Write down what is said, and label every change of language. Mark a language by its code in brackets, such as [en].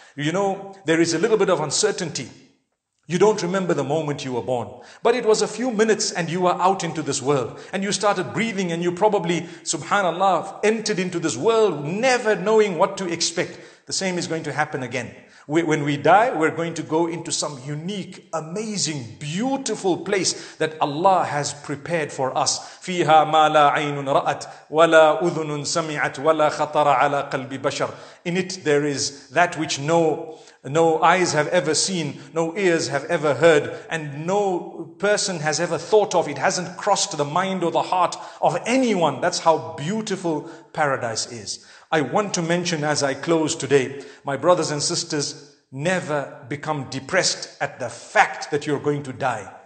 [en] You know, there is a little bit of uncertainty. You don't remember the moment you were born, but it was a few minutes and you were out into this world and you started breathing and you probably, subhanallah, entered into this world never knowing what to expect. The same is going to happen again. When we die, we're going to go into some unique, amazing, beautiful place that Allah has prepared for us. [ar] فيها ما لا عين رأت ولا أذن سمعت ولا خطر على قلب بشر. [en] In it there is that which no eyes have ever seen, no ears have ever heard, and no person has ever thought of. It hasn't crossed the mind or the heart of anyone. That's how beautiful paradise is. I want to mention as I close today, my brothers and sisters, never become depressed at the fact that you're going to die.